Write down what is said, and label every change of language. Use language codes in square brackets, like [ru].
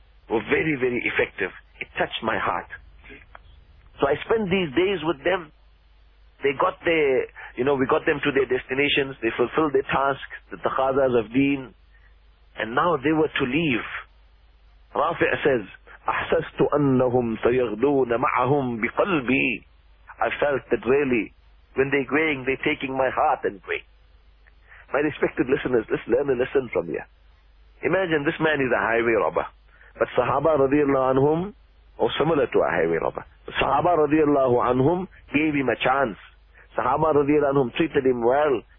[en] Were very, very effective. It touched my heart. So I spent these days with them. They got their, you know, we got them to their destinations. They fulfilled their task, the taqazas of deen. And now they were to leave. Rafi'a says, [ar] أَحْسَسْتُ أَنَّهُمْ سَيَغْدُونَ مَعَهُمْ بِقَلْبِي. [en] I felt that really, when they're going, they're taking my heart and going. My respected listeners, let's learn a lesson from here. Imagine this man is a highway robber. But Sahaba radiallahu anhum, or similar to a highway robber. Sahaba radiallahu anhum gave him a chance. Sahaba radiallahu anhum treated him well.